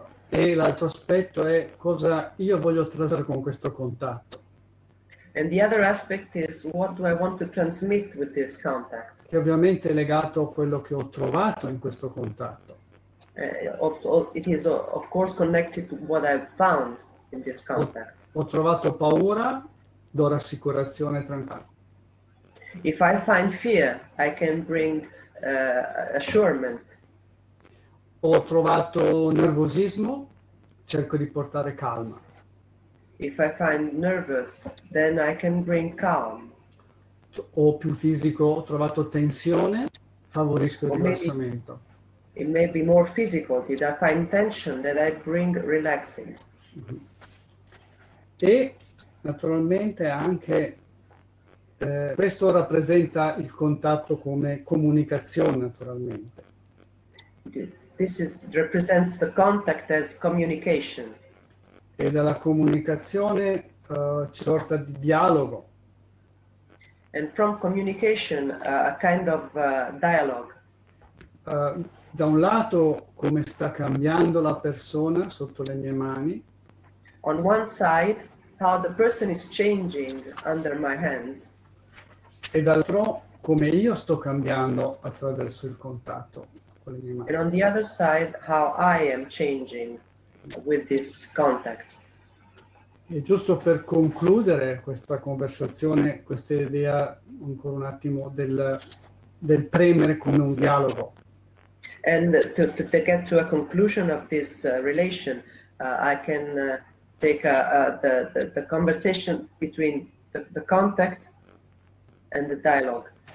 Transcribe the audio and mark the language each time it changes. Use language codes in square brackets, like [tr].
[it] E l'altro aspetto è cosa io voglio trasmettere con questo contatto. [en] And the other aspect is what do I want to transmit with this contact? [it] Che ovviamente è legato a quello che ho trovato in questo contatto. [en] It is of course connected to what I've found in this contact. [it] Ho trovato paura, do rassicurazione tranquilla. [en] If I find fear, I can bring assurance. [it] Ho trovato nervosismo, cerco di portare calma. [en] If I find nervous, then I can bring calm. [it] o più fisico, ho trovato tensione, favorisco il rilassamento. [en] It may be more physical. Did I find tension that I bring relaxing? [it] E naturalmente anche questo rappresenta il contatto come comunicazione, naturalmente. [en] This is represents the contact as communication. [it] E dalla comunicazione sorta di dialogo. [en] And from communication a kind of dialogue. [it] Da un lato come sta cambiando la persona sotto le mie mani. [en] On one side how the person is changing under my hands. [it] E dall'altro come io sto cambiando attraverso il contatto con le mie mani. [en] And on the other side how I am changing with this contact. [it] E giusto per concludere questa conversazione, questa idea ancora un attimo del premere come un dialogo. [en] And to get to a conclusion of this relation, I can take the conversation between the contact and the dialogue.